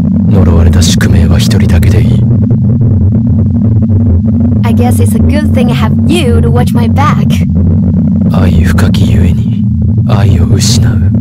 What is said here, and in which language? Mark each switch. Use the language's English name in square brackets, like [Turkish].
[Japanese] 呪われた宿命は一人だけでいい。 [English] I guess it's a good thing I have you to watch my back. [Japanese] 愛深きゆえに愛を失う。